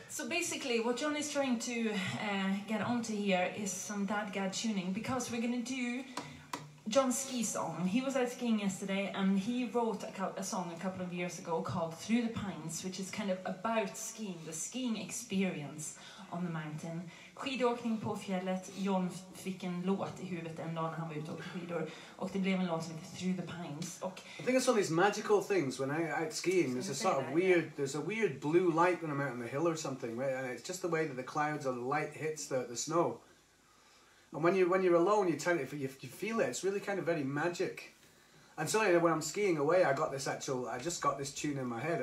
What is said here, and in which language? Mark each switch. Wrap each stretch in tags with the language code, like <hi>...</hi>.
<en>So basically, what John is trying to get onto here is some dadgad tuning, because we're going to do John Ski's song. He was out skiing yesterday and he wrote a song a couple of years ago called Through the Pines, which is kind of about skiing, the skiing experience on the mountain.</en> <sv>Skidåkning på fjället. John fick en låt i huvudet en dag när han var ute och åkte skidor. Och det blev en låt som heter Through the Pines. Och</sv> <en>I think it's one of these magical things when I'm out skiing. There's a sort of weird, yeah. There's a weird blue light when I'm out on the hill or something. And it's just the way that the clouds or the light hits the snow. And when you're alone, you feel it. It's really kind of very magic. And so when I'm skiing away, I just got this tune in my head.</en>